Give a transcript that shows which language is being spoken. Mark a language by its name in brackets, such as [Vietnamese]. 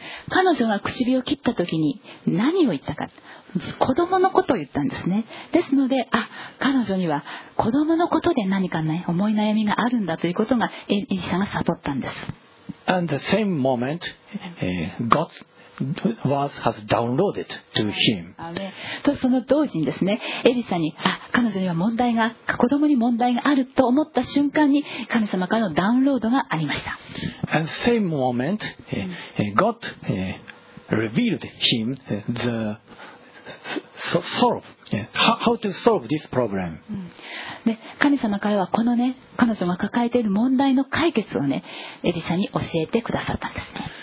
[Japanese] 彼女が唇を切った時に何を言ったか、子供のことを言ったんですね。ですので、あ、彼女には子供のことで何か、ね、思い悩みがあるんだということがエリシャが悟ったんです。 [English] And the same moment, God's Was has downloaded to him. [Japanese] とその同時にですね、エリシャに、あ、彼女には問題が、子供に問題があると思った瞬間に神様からのダウンロードがありました。 [English] And same moment, God revealed him the solve how to solve this problem. [Japanese] で、神様からはこのね、彼女が抱えている問題の解決をね、エリシャに教えてくださったんですね。